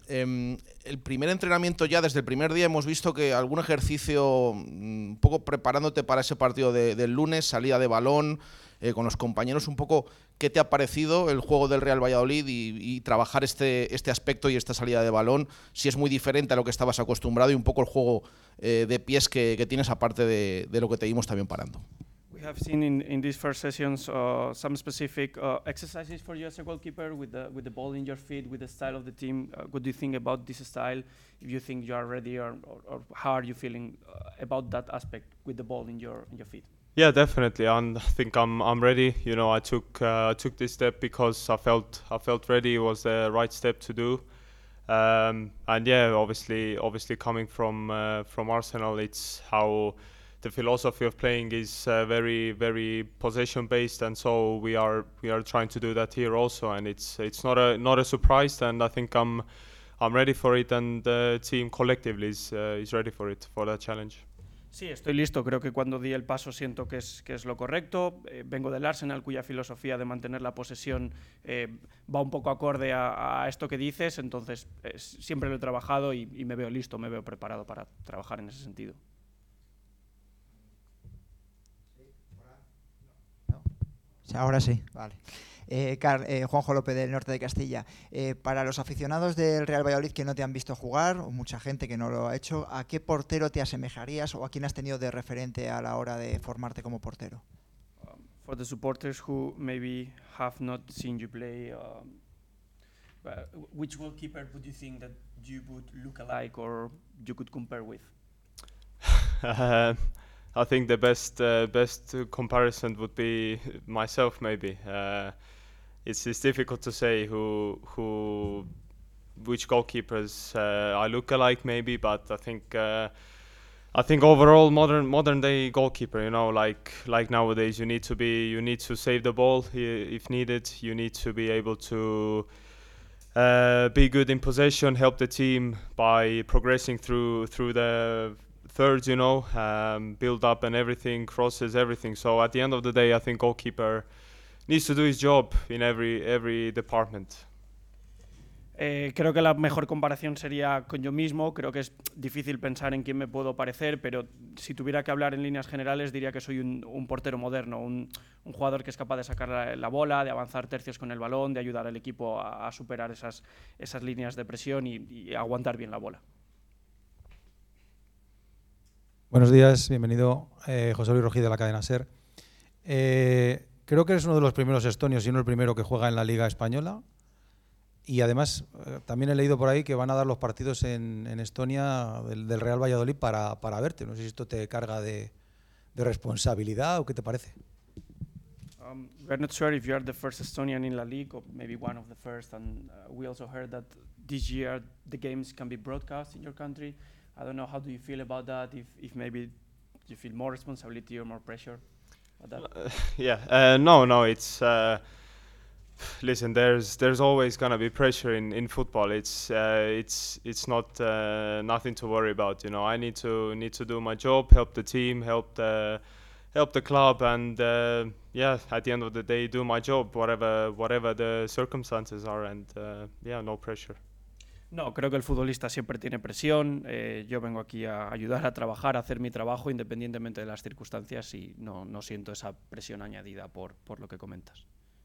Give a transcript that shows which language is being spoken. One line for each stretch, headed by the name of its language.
Spanish: El primer entrenamiento ya, desde el primer día, hemos visto que algún ejercicio, un poco preparándote para ese partido del lunes, salida de balón, con los compañeros, un poco, ¿qué te ha parecido el juego del Real Valladolid y trabajar este aspecto y esta salida de balón? Si es muy diferente a lo que estabas acostumbrado y un poco el juego de pies que tienes, aparte de lo que te vimos también parando.
English: We have seen in these first sessions some specific exercises for you as a goalkeeper with the ball in your feet, with the style of the team. What do you think about this style? If you think you are ready or how are you feeling about that aspect with the ball in your feet? Yeah, definitely. And I think I'm ready. You know, I took this step because I felt ready. It was the right step to do. And yeah, obviously coming from Arsenal, it's how the philosophy of playing is very, very possession based, and so we are trying to do that here also. And it's not a surprise. And I think I'm ready for it, and the team collectively is ready for it, for that challenge.
Spanish: Sí, estoy listo. Creo que cuando di el paso siento que es lo correcto. Vengo del Arsenal, cuya filosofía de mantener la posesión va un poco acorde a esto que dices. Entonces, siempre lo he trabajado y me veo listo, me veo preparado para trabajar en ese sentido. Sí, ahora sí. Vale. Juanjo López del Norte de Castilla. Para los aficionados del Real Valladolid que no te han visto jugar, o mucha gente que no lo ha hecho, ¿a qué portero te asemejarías o a quién has tenido de referente a la hora de formarte como portero?
English: For the supporters who maybe have not seen you play, which goalkeeper would you think that you would look alike or you could compare with? I think the best comparison would be myself, maybe. It's difficult to say which goalkeepers I look alike, maybe, but I think overall modern day goalkeeper, you know, like nowadays you need to save the ball if needed. You need to be able to be good in possession, help the team by progressing through the thirds, you know, build up and everything, crosses, everything. So at the end of the day, I think goalkeeper needs to do his job in every department.
Spanish: Creo que la mejor comparación sería con yo mismo. Creo que es difícil pensar en quién me puedo parecer, pero si tuviera que hablar en líneas generales, diría que soy un portero moderno, un jugador que es capaz de sacar la bola, de avanzar tercios con el balón, de ayudar al equipo a superar esas líneas de presión y aguantar bien la bola. Buenos días, bienvenido. José Luis Rogí de la cadena SER. Creo que eres uno de los primeros estonios, si no el primero, que juega en la Liga Española. Y además, también he leído por ahí que van a dar los partidos en Estonia del Real Valladolid para verte. No sé si esto te carga de responsabilidad o qué te parece.
English: We're not sure if you are the first Estonian in La Liga, or maybe one of the first. And we also heard that this year the games can be broadcast in your country. I don't know, how do you feel about that? If maybe you feel more responsibility or more pressure about that? No, it's listen, there's always gonna be pressure in football. It's not nothing to worry about, you know. I need to do my job, help the team, help the club, and at the end of the day do my job, whatever the circumstances are, and no pressure.
Spanish: No, creo que el futbolista siempre tiene presión. Yo vengo aquí a ayudar a trabajar, a hacer mi trabajo independientemente de las circunstancias y no siento esa presión añadida por lo que comentas.